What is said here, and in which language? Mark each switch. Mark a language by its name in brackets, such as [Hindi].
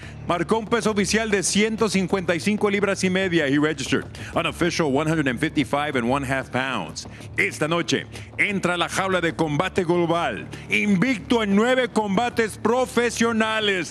[Spanish] Marcó un peso oficial de 155 libras y media. [English] He registered an official 155 and one half pounds. [Spanish] Esta noche entra a la jaula de combate global, invicto en 9 combates profesionales.